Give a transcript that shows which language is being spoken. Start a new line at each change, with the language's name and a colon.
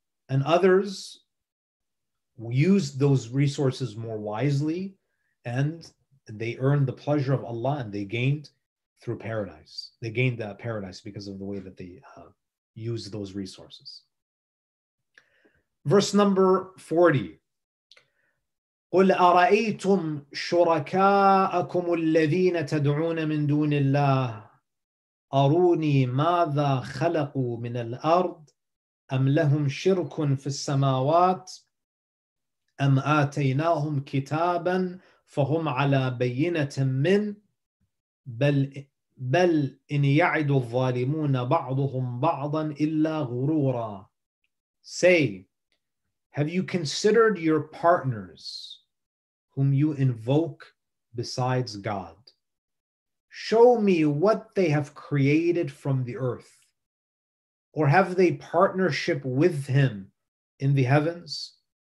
English: And others use those resources more wisely and they earned the pleasure of Allah and they gained through paradise. They gained that paradise because of the way that they used those resources. Verse number 40.
Arabic: قُلْ أَرَأَيْتُمْ شُرَكَاءَكُمُ الَّذِينَ تَدْعُونَ مِن دُونِ اللَّهِ أروني ماذا خلقوا من الأرض أم لهم شرك في السماوات أم آتيناهم كتابا فهم على بينة من بل إن يعد الظالمون بعضهم بعضا إلا غرورا.
English: Say, have you considered your partners whom you invoke besides God? show me what they have created from the earth. Or have they partnership with him in the heavens?